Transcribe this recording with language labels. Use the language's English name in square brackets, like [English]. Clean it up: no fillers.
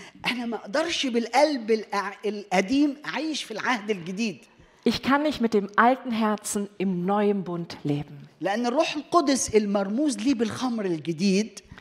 [Arabic] أنا ما أقدرش بالقلب القديم أعيش في العهد الجديد. [German] Ich kann nicht mit dem alten Herzen im neuen Bund leben. [Arabic] لأن الروح القدس المرموز لي بالخمر الجديد.